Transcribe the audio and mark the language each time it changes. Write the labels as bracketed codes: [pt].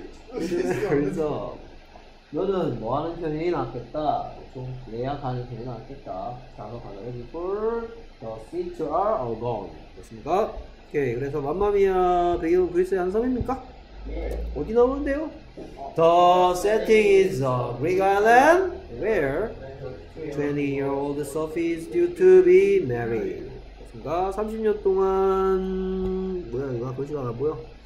[ko] 그래서 너는 뭐 하는 편이 낫겠다. 좀 예약하는 편이 낫겠다. 자서 가자. [en] For the seats are alone. [ko] 됐습니까? 오케이. 그래서 맘마미아 배경은 그리스의 한섬입니까? 네. 어디 나오는데요? [en] The setting is a Greek island where 20-year-old Sophie is due to be married. [ko] 됐습니까? 30년 동안 뭐야 이거 글씨가 안 보여?